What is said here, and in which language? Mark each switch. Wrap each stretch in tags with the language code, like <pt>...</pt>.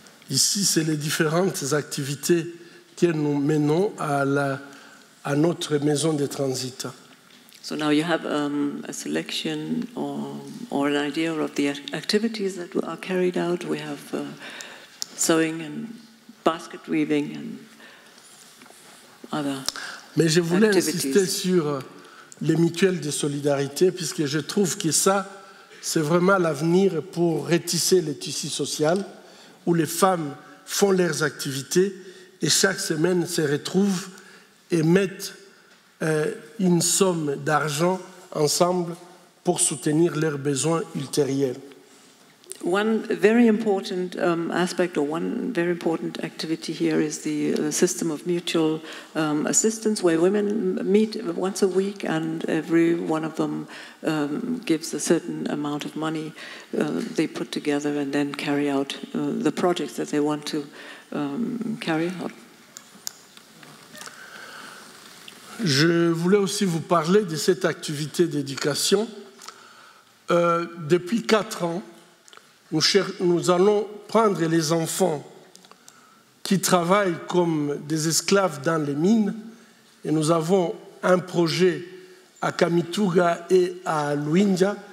<fr>Ici, c'est les différentes activités que nous menons à notre maison de transit.</fr> <en>So now you have a selection or an idea of the activities that are carried out. We have sewing and basket weaving and other activities.</en> <fr>Mais je voulais insister sur les mutuelles de solidarité puisque je trouve que ça, c'est vraiment l'avenir pour retisser le tissu social où les femmes font leurs activités et chaque semaine se retrouvent et mettent une somme d'argent ensemble pour soutenir leurs besoins ultérieurs.</fr> <en>One very important aspect or one very important activity here is the system of mutual assistance where women meet once a week and every one of them gives a certain amount of money they put together and then carry out the projects that they want to carry out.</en> <fr>Je voulais aussi vous parler de cette activité d'éducation. Depuis 4 ans, nous allons prendre les enfants qui travaillent comme des esclaves dans les mines et nous avons un projet à Kamituga et à Luinja.</fr>